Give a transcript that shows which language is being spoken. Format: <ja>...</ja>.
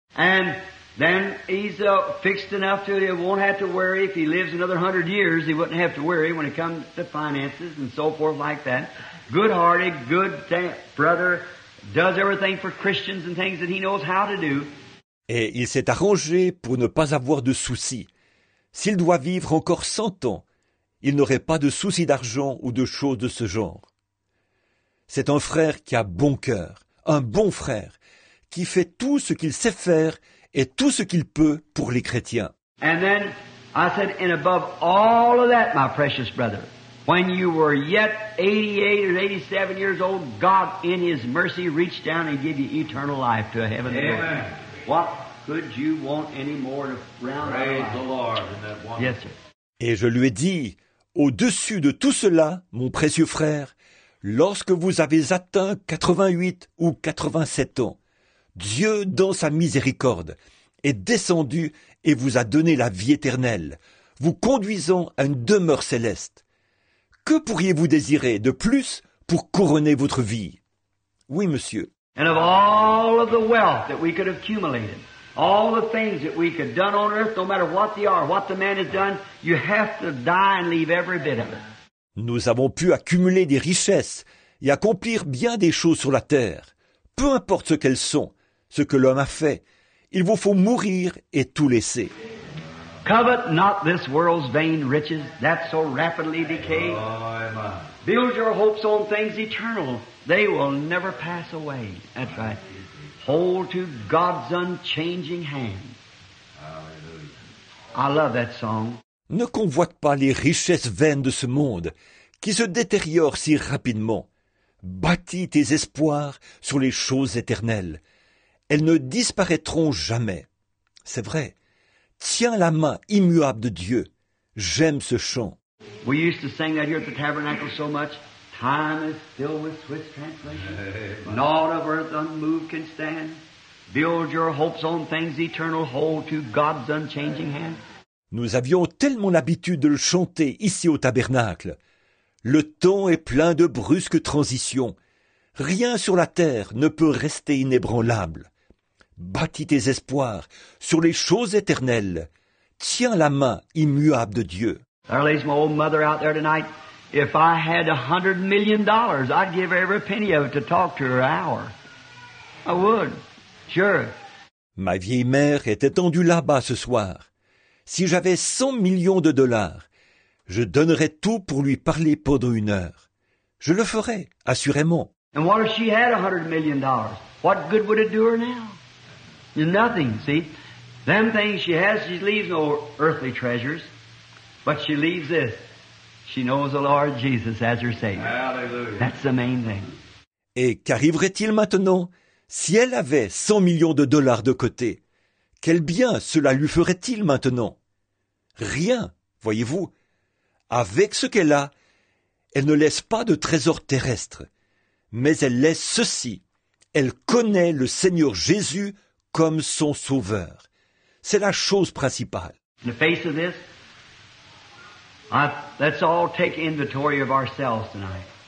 <en>And then he's fixed enough to he won't have to worry if he lives another 100 years. He wouldn't have to worry when it comes to finances and so forth like that. Good-hearted, good brother, does everything for Christians and things that he knows how to do.</en> <fr>Et il s'est arrangé pour ne pas avoir de soucis. S'il doit vivre encore 100 ans, il n'aurait pas de soucis d'argent ou de choses de ce genre. C'est un frère qui a bon cœur, un bon frère, qui fait tout ce qu'il sait faire et tout ce qu'il peut pour les chrétiens.</fr> <en>And then I said, and above all of that, my precious brother, when you were yet 88 or 87 years old, God in his mercy reached down and gave you eternal life to a heavenly Amen. Lord. What could you want any more to round Praise out? The Lord in that one. Yes, sir.</en> <fr>Et je lui ai dit, au-dessus de tout cela, mon précieux frère, lorsque vous avez atteint 88 ou 87 ans, Dieu, dans sa miséricorde, est descendu et vous a donné la vie éternelle, vous conduisant à une demeure céleste. Que pourriez-vous désirer de plus pour couronner votre vie? Oui, monsieur.</fr> <en>And of all of the wealth that we could have accumulated, all the things that we could have done on earth, no matter what they are, what the man has done, you have to die and leave every bit of it.</en> <fr>Nous avons pu accumuler des richesses et accomplir bien des choses sur la terre. Peu importe ce qu'elles sont, ce que l'homme a fait, il vous faut mourir et tout laisser.</fr> <en>Covet not this world's vain riches that so rapidly decay. Build your hopes on things eternal. They will never pass away. That's right. Hold to God's unchanging hand. I love that song.</en> <fr>Ne convoite pas les richesses vaines de ce monde qui se détériorent si rapidement. Bâtis tes espoirs sur les choses éternelles. Elles ne disparaîtront jamais. C'est vrai. Tiens la main immuable de Dieu. J'aime ce chant.</fr> <en>We used to sing that here at the tabernacle so much. Time is still with swift translation. Naught of earth unmoved can stand. Build your hopes on things eternal. Hold to God's unchanging hand.</en> <fr>Nous avions tellement l'habitude de le chanter ici au tabernacle. Le temps est plein de brusques transitions. Rien sur la terre ne peut rester inébranlable. Bâtis tes espoirs sur les choses éternelles. Tiens la main immuable de Dieu.</fr> <en>There lays my old mother out there tonight. If I had $100 million, I'd give every penny of it to talk to her hour. I would, sure.</en> <fr>Ma vieille mère est étendue là-bas ce soir. Si j'avais $100 millions, je donnerais tout pour lui parler pendant une heure. Je le ferais, assurément.</fr> <en>And what if she had $100 million? What good would it do her now? Nothing, see? Them things she has, she leaves no earthly treasures. But she leaves this. She knows the Lord Jesus as her Savior. Hallelujah. That's the main thing.</en> <fr>Et qu'arriverait-il maintenant si elle avait $100 millions de côté? Quel bien cela lui ferait-il maintenant? Rien, voyez-vous. Avec ce qu'elle a, elle ne laisse pas de trésor terrestre, mais elle laisse ceci. elle connaît le Seigneur Jésus comme son sauveur. C'est la chose principale.</fr> <en>In the face of this, let's all take inventory of ourselves tonight.</en>